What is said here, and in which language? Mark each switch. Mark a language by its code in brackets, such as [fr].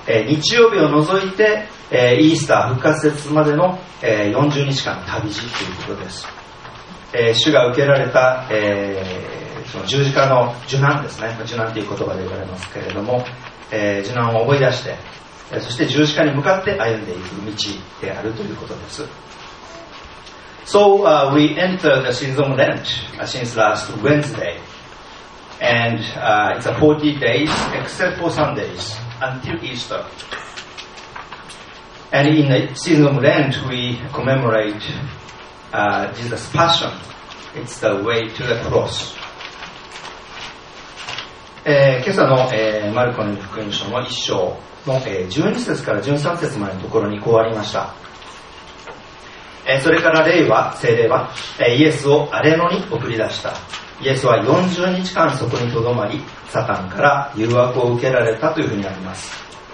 [ja] 日曜日を除いて、イースター復活節までの、40日間旅路ということです。主が受けられた、その十字架の受難ですね、受難という言葉で言われますけれども、受難を思い出して、そして十字架に向かって歩んでいく道であるということです。 [en] So, we entered the season of Lent, since last Wednesday. And, it's a 40 days, except for Sundays, until Easter. And in the season of Lent, we commemorate, Jesus' passion. It's the way to the cross. [ja] 今朝の、マルコの福音書の1章の、12節から13節までのところにこうありました。それから聖霊はイエスを荒れ野に送り出した。イエスは40日間そこにとどまり、サタンから誘惑を受けられたというふうにあります。